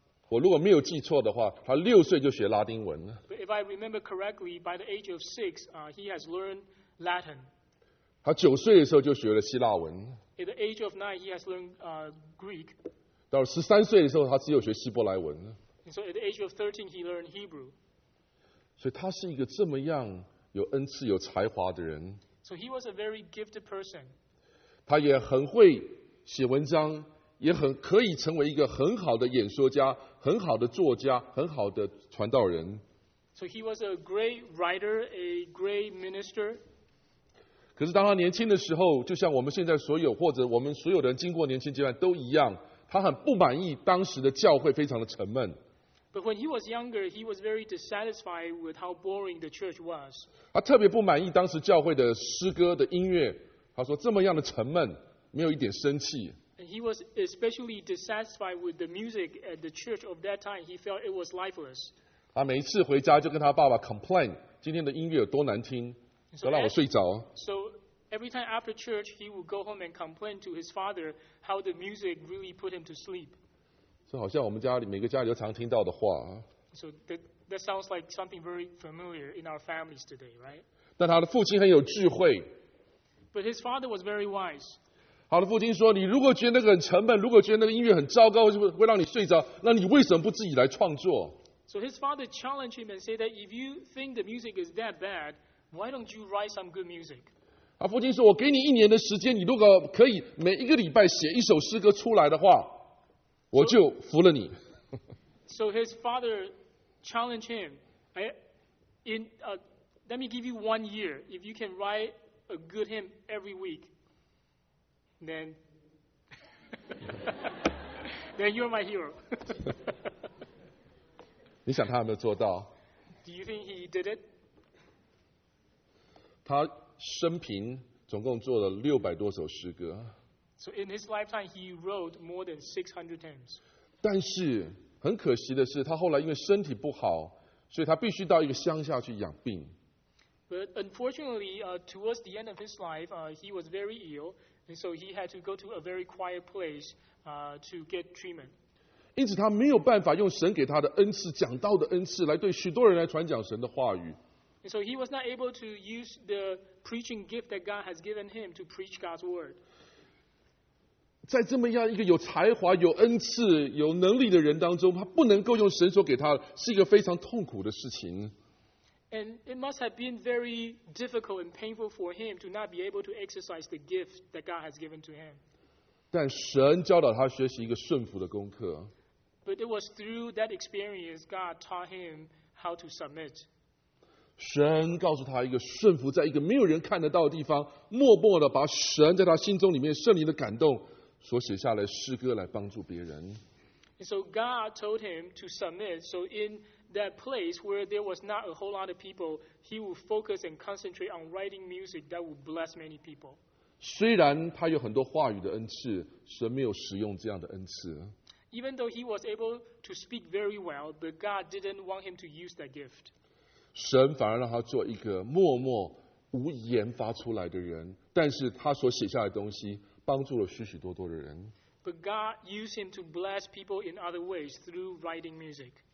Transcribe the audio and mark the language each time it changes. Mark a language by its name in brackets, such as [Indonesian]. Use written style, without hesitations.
[Chinese] 我如果没有记错的话，他六岁就学拉丁文了。 [English] But if I remember correctly, by the age of six, he has learned Latin. [Chinese] 他九岁的时候就学了希腊文。 [English] At the age of nine, he has learned Greek. [Chinese] 到十三岁的时候，他只有学希伯来文。 [English] And so at the age of 13, he learned Hebrew. [Chinese] 所以他是一个这么样有恩赐、有才华的人。 [English] So he was a very gifted person. [Chinese] 他也很会写文章。也很可以成为一个很好的演说家，很好的作家，很好的传道人。 [English] So he was a great writer, a great minister. [Chinese] 可是当他年轻的时候，就像我们现在所有或者我们所有的人经过年轻阶段都一样，他很不满意当时的教会非常的沉闷。 [English] But when he was younger, he was very dissatisfied with how boring the church was. [Chinese] 他特别不满意当时教会的诗歌的音乐，他说这么样的沉闷，没有一点生气。 [English] And he was especially dissatisfied with the music at the church of that time. He felt it was lifeless. [Chinese] 他每一次回家就跟他爸爸 complain， 今天的音乐有多难听，都让我睡着。 [English] So every time after church, he would go home and complain to his father how the music really put him to sleep. [Chinese] 这好像我们家里每个家里都常听到的话。 [English] So that sounds like something very familiar in our families today, right? [Chinese] 但他的父亲很有智慧。 [English] But his father was very wise. [Chinese] 好的，父亲说：“你如果觉得那个很沉闷，如果觉得那个音乐很糟糕，会让你睡着，那你为什么不自己来创作 [English] ？”So his father challenged him and said that if you think the music is that bad, why don't you write some good music？ [Chinese] 啊，父亲说：“我给你一年的时间，你如果可以每一个礼拜写一首诗歌出来的话，我就服了你。 [English] ”So his father challenged him. Let me give you 1 year. If you can write a good hymn every week. Then you're my hero. [Chinese] 你想他有没有做到 [English] ？Do you think he did it? [Chinese] 他生平总共做了六百多首诗歌。 [English] So in his lifetime, he wrote more than 600 hymns. [Chinese] 但是很可惜的是，他后来因为身体不好，所以他必须到一个乡下去养病。 [English] But unfortunately, towards the end of his life, he was very ill. And so he had to go to a very quiet place to get treatment. [Chinese] 因此他没有办法用神给他的恩赐、讲道的恩赐来对许多人来传讲神的话语。 [English] And so he was not able to use the preaching gift that God has given him to preach God's word. [Chinese] 在这么样一个有才华、有恩赐、有能力的人当中，他不能够用神所给他，是一个非常痛苦的事情。 [English] And it must have been very difficult and painful for him to not be able to exercise the gift that God has given to him. [Chinese] 但神教导他学习一个顺服的功课。 [English] But it was through that experience God taught him how to submit. [Chinese] 神告诉他一个顺服，在一个没有人看得到的地方，默默的把神在他心中里面圣灵的感动所写下来诗歌来帮助别人。 [English] And so God told him to submit. So in that place where there was not a whole lot of people, he would focus and concentrate on writing music that would bless many people. [Chinese] 虽然他有很多话语的恩赐，神没有使用这样的恩赐。 [English] Even though he was able to speak very well, but God didn't want him to use that gift. [Chinese] 神反而让他做一个默默无言发出来的人，但是他所写下的东西帮助了许许多多的人。 [English] But God used him to bless people in other ways through writing music.